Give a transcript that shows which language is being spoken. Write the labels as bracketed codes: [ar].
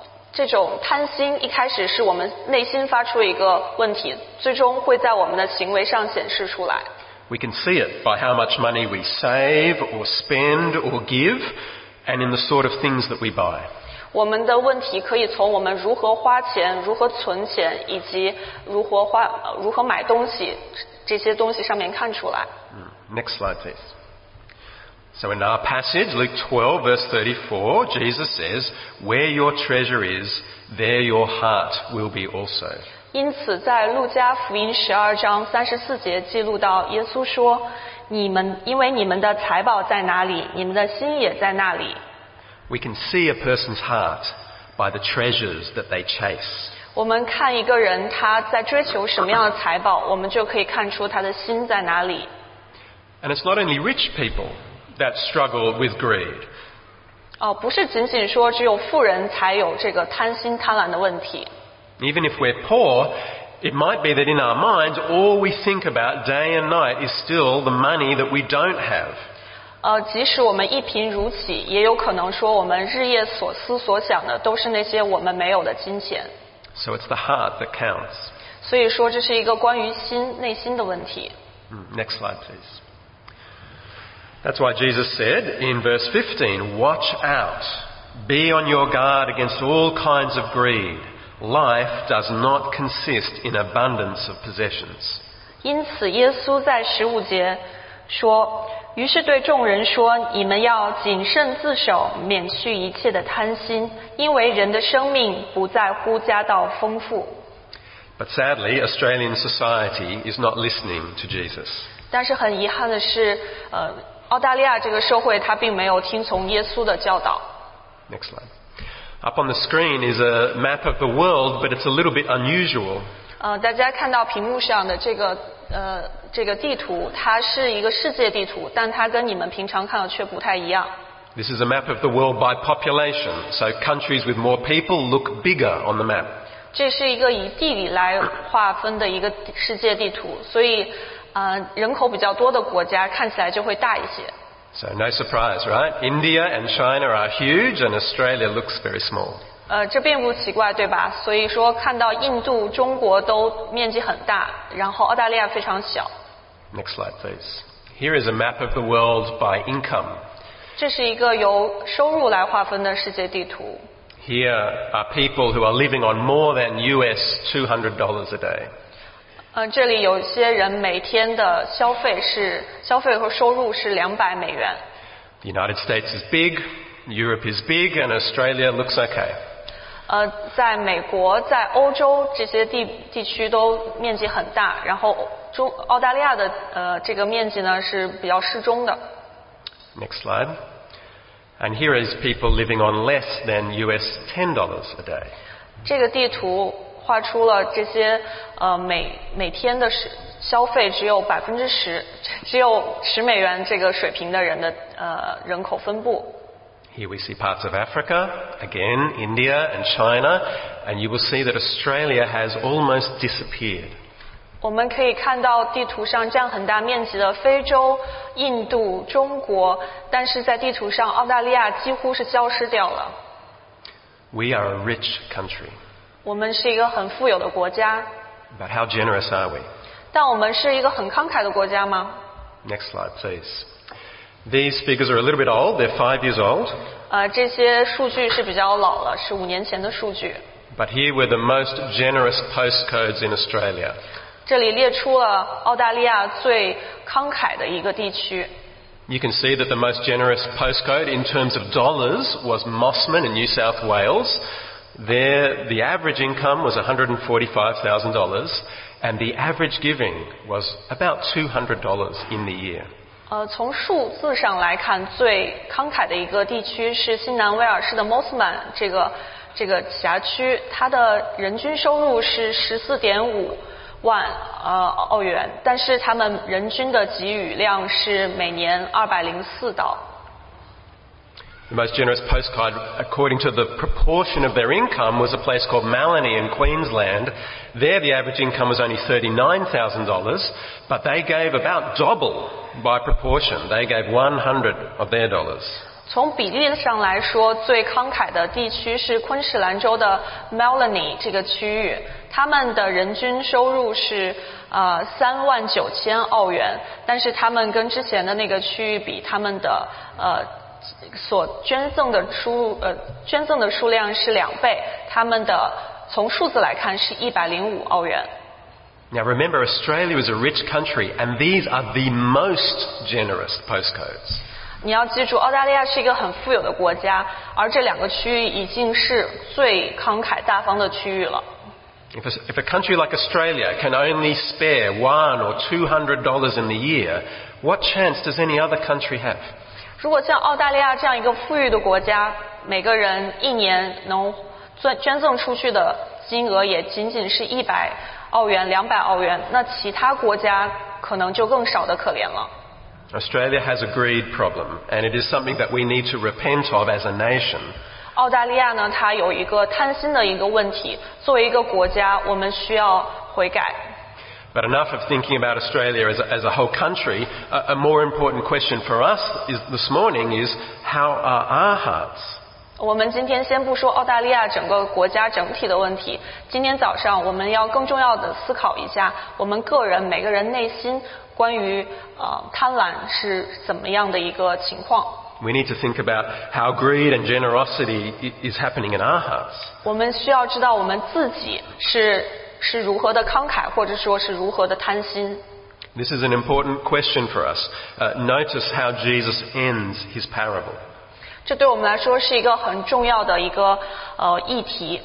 [zh] 这种贪心一开始是我们内心发出一个问题，最终会在我们的行为上显示出来。 [en] We can see it by how much money we save or spend or give, and in the sort of things that we buy. [zh] 我们的问题可以从我们如何花钱、如何存钱以及如何买东西这些东西上面看出来。 [en] Next slide, please. So in our passage, Luke 12, verse 34, Jesus says, "Where your treasure is, there your heart will be also." [zh] 因此，在路加福音十二章三十四节记录到，耶稣说：“你们因为你们的财宝在哪里，你们的心也在那里。” [en] We can see a person's heart by the treasures that they chase. [zh] 我们看一个人他在追求什么样的财宝，我们就可以看出他的心在哪里。 [en] And it's not only rich people that struggle with greed. [zh] 不是仅仅说只有富人才有这个贪心贪婪的问题。 [en] Even if we're poor, it might be that in our minds, all we think about day and night is still the money that we don't have. [zh] 即使我们一贫如洗，也有可能说我们日夜所思所想的都是那些我们没有的金钱。 [en] So it's the heart that counts. [zh] 所以说这是一个关于心，内心的问题。 [en] Next slide, please. That's why Jesus said in verse 15, "Watch out! Be on your guard against all kinds of greed. Life does not consist in abundance of possessions." [zh] 因此，耶稣在十五节说，于是对众人说，你们要谨慎自守，免去一切的贪心，因为人的生命不在乎家道丰富。 [en] But sadly, Australian society is not listening to Jesus. [zh] 但是很遗憾的是，澳大利亚这个社会它并没有听从耶稣的教导。 [en] Next slide. Up on the screen is a map of the world, but it's a little bit unusual. [zh] 大家看到屏幕上的这个地图，它是一个世界地图，但它跟你们平常看的却不太一样。 [en] This is a map of the world by population, so countries with more people look bigger on the map. [zh] 这是一个以地理来划分的一个世界地图，所以人口比较多的国家看起来就会大一些。 [en] So no surprise, right? India and China are huge, and Australia looks very small. [zh] 这并不奇怪，对吧？所以说，看到印度、中国都面积很大，然后澳大利亚非常小。 [en] Next slide, please. Here is a map of the world by income. [zh] 这是一个由收入来划分的世界地图。 [en] Here are people who are living on more than US$200 a day. [zh] 这里有些人每天的消费和收入是200美元。 [en] The United States is big, Europe is big, and Australia looks okay. [zh] 在美国、在欧洲这些地区都面积很大，然后澳大利亚的这个面积呢是比较适中的。 [en] Next slide. And here is people living on less than US$10 a day. [zh] 这个地图画出了这些每天的消费只有10%，只有10美元这个水平的人的人口分布。 [en] Here we see parts of Africa, again India and China, and you will see that Australia has almost disappeared. [zh] 我们可以看到地图上占很大面积的非洲、印度、中国，但是在地图上澳大利亚几乎是消失掉了。 [en] We are a rich country. [zh] 我们是一个很富有的国家。 [en] But how generous are we? [zh] 但我们是一个很慷慨的国家吗？ [en] Next slide, please. These figures are a little bit old. They're 5 years old. [zh] 这些数据是比较老了，是五年前的数据。 [en] But here were the most generous postcodes in Australia. [zh] 这里列出了澳大利亚最慷慨的一个地区。 [en] You can see that the most generous postcode in terms of dollars was Mosman in New South Wales. There, the average income was $145,000, and the average giving was about $200 in the year. [zh] 从数字上来看，最慷慨的一个地区是新南威尔士的 Mosman 这个辖区，它的人均收入是14.5万澳元，但是他们人均的给予量是每年204刀。 [en] The most generous postcard, according to the proportion of their income, was a place called Melanie in Queensland. There, the average income was only $39,000, but they gave about double by proportion. They gave 100 of their dollars. [zh] 从比例上来说，最慷慨的地区是昆士兰州的 Melanie 这个区域。他们的人均收入是39,000澳元，但是他们跟之前的那个区域比，他们的所捐赠的数量是两倍，他们的从数字来看是105澳元。 [en] Now remember, Australia is a rich country, and these are the most generous postcodes. [zh] 你要记住，澳大利亚是一个很富有的国家，而这两个区域已经是最慷慨大方的区域了。 [en] If a country like Australia can only spare $100 or $200 in the year, what chance does any other country have? [zh] 如果像澳大利亚这样一个富裕的国家，每个人一年能捐赠出去的金额也仅仅是100澳元、200澳元，那其他国家可能就更少的可怜了。 [en] Australia has a greed problem, and it is something that we need to repent of as a nation. [zh] 澳大利亚呢，它有一个贪心的一个问题，作为一个国家，我们需要悔改。 [en] But enough of thinking about Australia as a whole country. A more important question for us is this morning is how are our hearts? [zh] 我们今天先不说澳大利亚整个国家整体的问题。今天早上我们要更重要的思考一下我们个人每个人内心关于贪婪是怎么样的一个情况。 [en] We need to think about how greed and generosity is happening in our hearts. [zh] 我们需要知道我们自己是如何的慷慨，或者说是如何的贪心。 [en] This is an important question for us. Notice how Jesus ends his parable. [zh] 这对我们来说是一个很重要的一个议题。